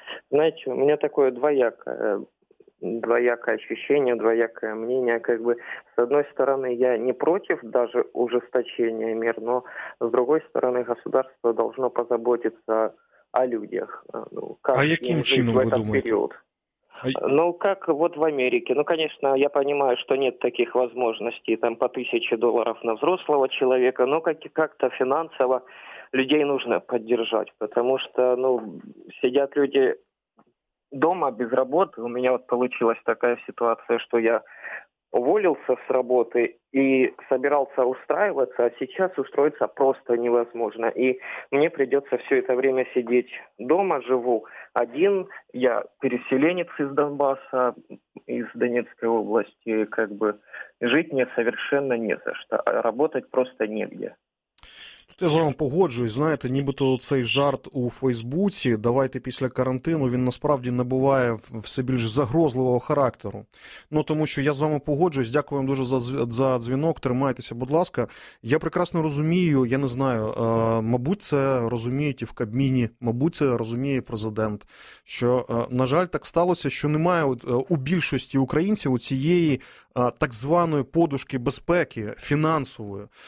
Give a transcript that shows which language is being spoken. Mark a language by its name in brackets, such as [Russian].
[Ukrainian] Знаєте, у мене таке двояке відчуття, двояке мнение. Как бы, з одної сторони, я не проти навіть ужесточення мер, але з другої сторони, держава повинна позаботитися о людях. Ну, как а яким чином ви думаєте? Період? [Russian] Ну, как вот в Америке. Ну, конечно, я понимаю, что нет таких возможностей, там, по $1000 на взрослого человека, но как-то финансово людей нужно поддержать, потому что, ну, сидят люди дома без работы. У меня вот получилась такая ситуация, что я уволился с работы и собирался устраиваться, а сейчас устроиться просто невозможно. И мне придется все это время сидеть дома, живу один. Я переселенец из Донбасса, из Донецкой области. Как бы жить мне совершенно не за что, а работать просто негде. [Ukrainian] Тут я з вами погоджуюсь, знаєте, нібито цей жарт у Фейсбуці, давайте після карантину, він насправді набуває все більш загрозливого характеру. Ну, тому що я з вами погоджуюсь, дякую вам дуже за дзвінок, тримайтеся, будь ласка. Я прекрасно розумію, я не знаю, мабуть це розуміють і в Кабміні, мабуть це розуміє президент, що, на жаль, так сталося, що немає у більшості українців у цієї так званої подушки безпеки фінансової.